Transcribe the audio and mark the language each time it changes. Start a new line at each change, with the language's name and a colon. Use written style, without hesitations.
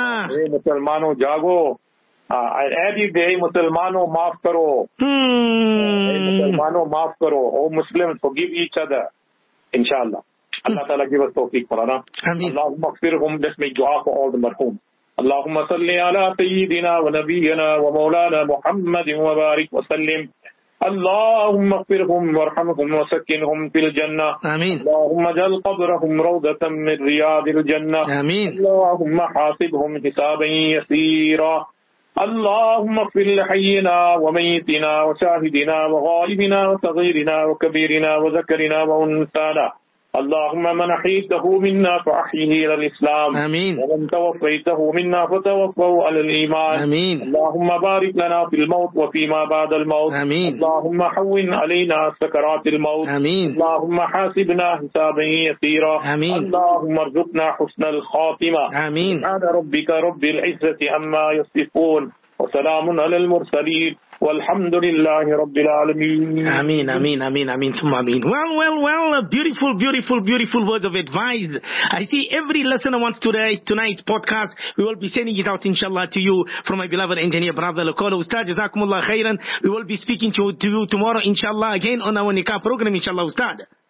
Urdu: Eh, Musalmano Jago.
English: I added the
Urdu: Musalmano Maaf Karo. Musalmano Maaf Karo.
English: Oh, Muslims, forgive each other. Inshallah. Allah Ta'ala give us tawfiq, Mulana.
Arabic: Allahumma akfirhum.
English: Let's make dua for all the marhum.
Arabic: اللهم صل على سيدنا ونبينا ومولانا محمد وبارك وسلم اللهم اغفرهم وارحمهم وسكنهم في الجنة آمين. اللهم اجعل قبرهم روضة من رياض الجنة آمين. اللهم حاسبهم حسابا يسيرا اللهم اغفر لحينا وميتنا وشاهدنا وغائبنا وصغيرنا وكبيرنا وذكرنا وأنثانا اللهم من أحييته منا فأحيه إلى الإسلام أمين. ومن توفيته منا فتوفوا على الإيمان أمين. اللهم بارك لنا في الموت وفيما بعد الموت أمين. اللهم حون علينا سكرات الموت أمين. اللهم حاسبنا حسابا يسيرا أمين. اللهم ارزقنا حسن الخاتمة أمين. سبحان ربك رب العزة عما يصفون وسلام على المرسلين والحمد لله رب العالمين آمين آمين آمين آمين ثم آمين.
English: Well, beautiful words of advice. I see every listener wants today, tonight's podcast. We will be sending it out inshallah to you from my beloved engineer brother Lokolo Ustaz. Jazakumullah khairan. We will be speaking to you tomorrow inshallah again on our Nikah program inshallah Ustaz.